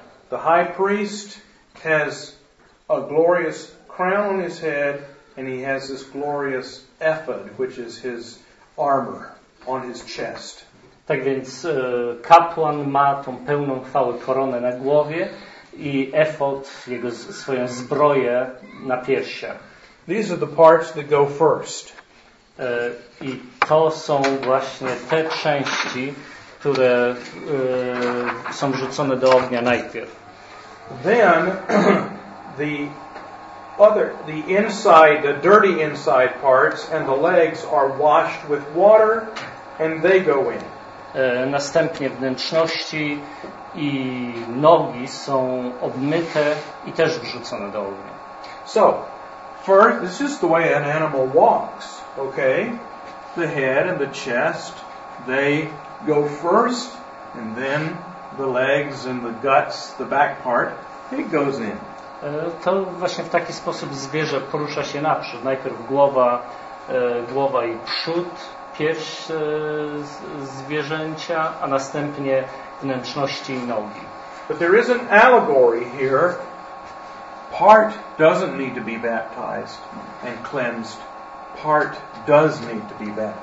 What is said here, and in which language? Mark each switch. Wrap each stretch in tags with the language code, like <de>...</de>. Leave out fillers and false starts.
<en>The high priest has a glorious crown on his head and he has this glorious ephod, which is his armor on his chest.</en> <pl>Tak więc kapłan ma tą pełną chwały koronę na głowie i efod, jego swoją zbroję na piersiach.</pl> <en>These are the parts that go first.</en> <pl>I to są właśnie te części, które są wrzucone do ognia najpierw.</pl> <en>Then the inside, the dirty inside parts and the legs are washed with water and they go in.</en> <pl>Następnie wnętrzności i nogi są obmyte i też wrzucone do ognia.</pl> <en>So, first, this is the way an animal walks, okay? The head and the chest, they go first, and then the legs and the guts, the back part, it goes in.</en> <pl>To właśnie w taki sposób zwierzę porusza się naprzód. Najpierw głowa i przód, pierś zwierzęcia, a następnie wnętrzności i nogi.</pl> <en>But there is an allegory here. Part doesn't need to be baptized and cleansed. Part does need to be baptized.</en>